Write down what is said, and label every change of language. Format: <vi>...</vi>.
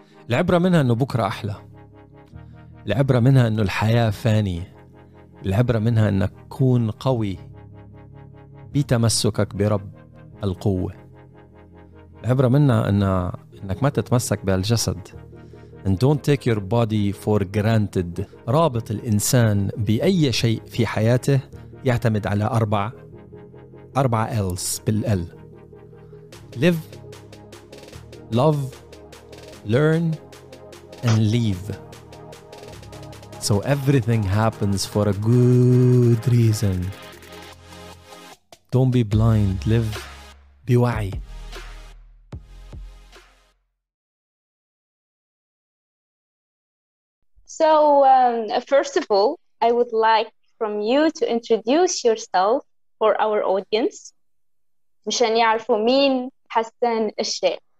<ar>العبرة منها أنه بكرة أحلى، العبرة منها أنه الحياة فانية، العبرة منها أنك كون قوي بتمسكك برب القوة، العبرة منها أنك ما تتمسك بالجسد.</ar> <en>And don't take your body for granted.</en> <ar>رابط الإنسان بأي شيء في حياته يعتمد على أربع L's بالL:</ar> <en>live, love, learn and leave. So everything happens for a good reason. Don't be blind, live, be wise. So, first of all, I would like from you to introduce yourself for our audience.</en> <ar>مشان يعرفوا مين حسان الشيخ.</ar>